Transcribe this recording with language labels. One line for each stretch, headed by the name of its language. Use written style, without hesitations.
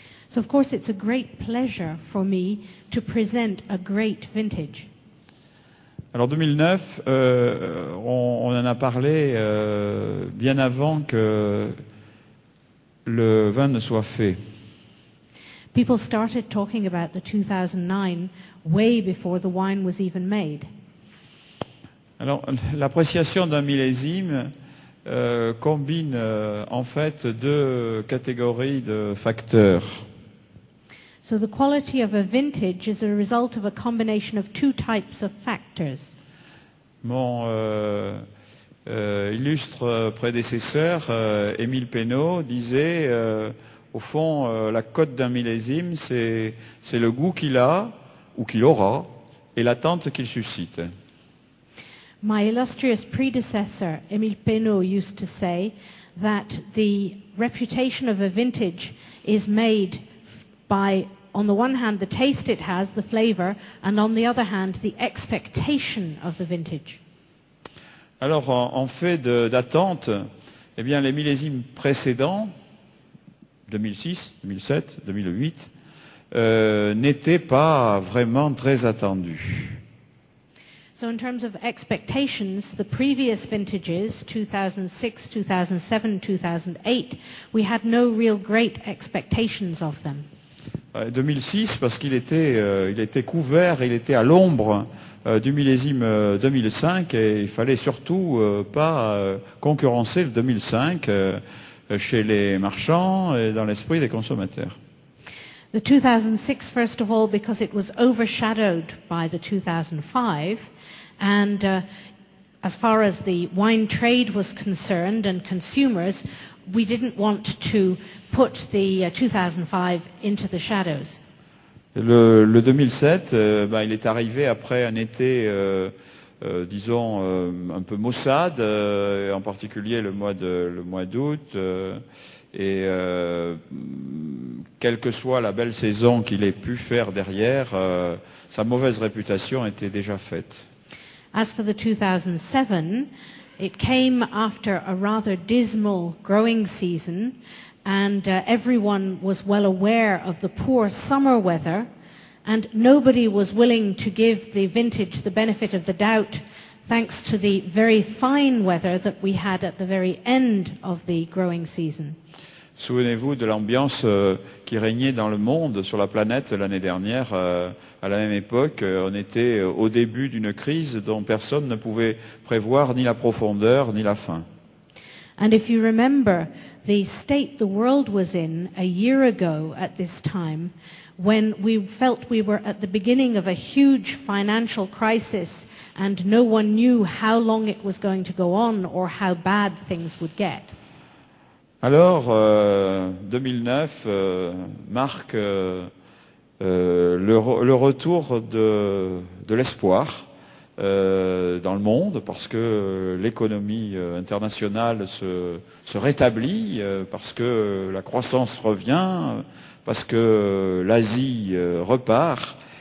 English: So of course it's a great pleasure for me to present a great vintage.
French: Alors 2009, on en a parlé bien avant que le vin ne soit fait.
English: People started talking about the 2009 way before the wine was even made.
French: Alors, l'appréciation d'un millésime combine en fait deux catégories de facteurs.
English: So the quality of a vintage is a result of a combination of two types of factors.
French: Mon illustre prédécesseur, Émile Peynaud, disait, au fond, la cote d'un millésime, c'est le goût qu'il a ou qu'il aura et l'attente qu'il suscite.
English: My illustrious predecessor, Émile Peynaud, used to say that the reputation of a vintage is made by, on the one hand, the taste it has, the flavor, and on the other hand, the expectation of the vintage.
French: Alors, en fait d'attente, eh bien, les millésimes précédents, 2006, 2007, 2008, n'étaient pas vraiment très attendus.
English: So in terms of expectations, the previous vintages, 2006, 2007, 2008, we had no real great expectations of them.
French: 2006, parce qu'il était, couvert, il était à l'ombre du millésime 2005, et il fallait surtout pas concurrencer le 2005 chez les marchands et dans l'esprit des consommateurs.
English: The 2006, first of all, because it was overshadowed by the 2005, and as far as the wine trade was concerned and consumers, we didn't want to put the 2005 into the shadows.
French: Le 2007, ben, il est arrivé après un été, disons, un peu maussade, en particulier le mois d'août. Quelle que soit la belle saison qu'il ait pu faire derrière, sa mauvaise réputation était déjà faite.
English: As for the 2007, it came after a rather dismal growing season, and everyone was well aware of the poor summer weather, and nobody was willing to give the vintage the benefit of the doubt, thanks to the very fine weather that we had at the very end of the growing season.
French: Souvenez-vous de l'ambiance qui régnait dans le monde, sur la planète, l'année dernière. À la même époque, on était au début d'une crise dont personne ne pouvait prévoir ni la profondeur ni la fin.
English: And if you remember the state the world was in a year ago at this time, when we felt we were at the beginning of a huge financial crisis and no one knew how long it was going to go on or how bad things would get.
French: Alors, 2009 marque le retour de l'espoir dans le monde, parce que l'économie internationale se rétablit, parce que la croissance revient, parce que l'Asie repart.